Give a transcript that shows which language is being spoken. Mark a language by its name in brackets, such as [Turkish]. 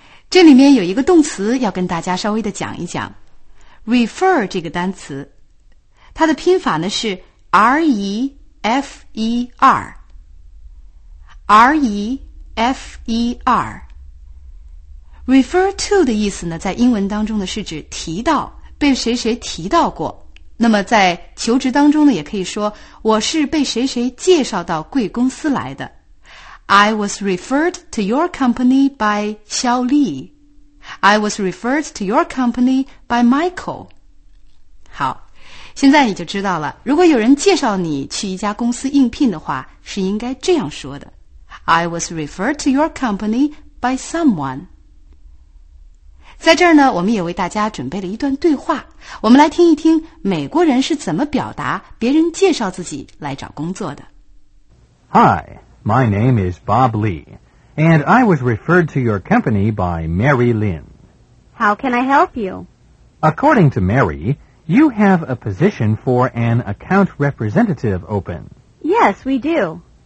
[Chinese] 这里面有一个动词要跟大家稍微的讲一讲， refer 这个单词它的拼法呢是 R-E-F-E-R R-E-F-E-R。 refer to 的意思呢，在英文当中呢是指提到，被谁谁提到过。那么在求职当中呢，也可以说我是被谁谁介绍到贵公司来的。 [English] I was referred to your company by 肖丽。 I was referred to your company by Michael。 [Chinese] 好，现在你就知道了，如果有人介绍你去一家公司应聘的话，是应该这样说的， [English] I was referred to your company by someone。 [Chinese] 在这儿呢，我们也为大家准备了一段对话，我们来听一听美国人是怎么表达别人介绍自己来找工作的。 [English] Hi, my name is Bob Lee, and I was referred to your company by Mary Lynn. How can I help you? According to Mary, you have a position for an account representative open. Yes, we do.